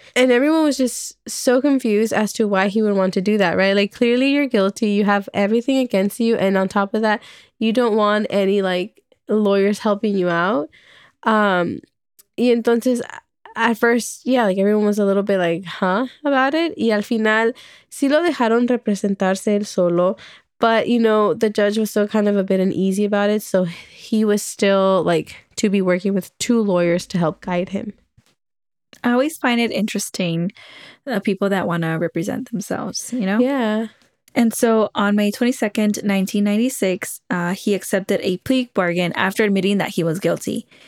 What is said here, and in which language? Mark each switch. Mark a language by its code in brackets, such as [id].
[en] And everyone was just so confused as to why he would want to do that, right? Like, clearly you're guilty. You have everything against you. And on top of that, you don't want any, like, lawyers helping you out. [es] Y entonces, [en] at first, yeah, like, everyone was a little bit like, huh, about it. [es] Y al final, sí lo dejaron representarse él solo. [en] But, you know, the judge was still kind of a bit uneasy about it. So he was still, like, to be working with two lawyers to help guide him. I always find it interesting, people that want to represent themselves, you know? Yeah. And so on May 22nd, 1996, he accepted a plea bargain after admitting that he was guilty.